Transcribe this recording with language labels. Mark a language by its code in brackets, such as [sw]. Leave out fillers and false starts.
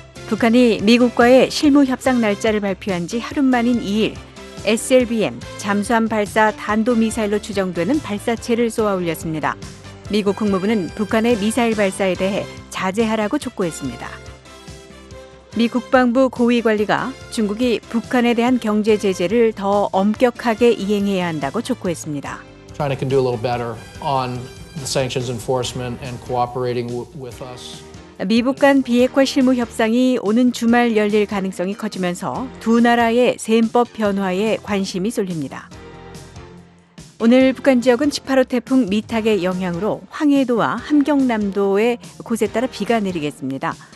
[ko] 북한이 미국과의 실무 협상 날짜를 발표한 지 하루 만인 2일 SLBM 잠수함 발사 탄도미사일로 추정되는 발사체를 쏘아 올렸습니다. 미국 국무부는 북한의 미사일 발사에 대해 자제하라고 촉구했습니다. 미 국방부 고위 관리가 중국이 북한에 대한 경제 제재를 더 엄격하게 이행해야 한다고 촉구했습니다. [en] China can do a little better on the sanctions enforcement and cooperating with us. [ko] 미북 간 비핵화 실무 협상이 오는 주말 열릴 가능성이 커지면서 두 나라의 셈법 변화에 관심이 쏠립니다. 오늘 북한 지역은 18호 태풍 미탁의 영향으로 황해도와 함경남도에 곳에 따라 비가 내리겠습니다.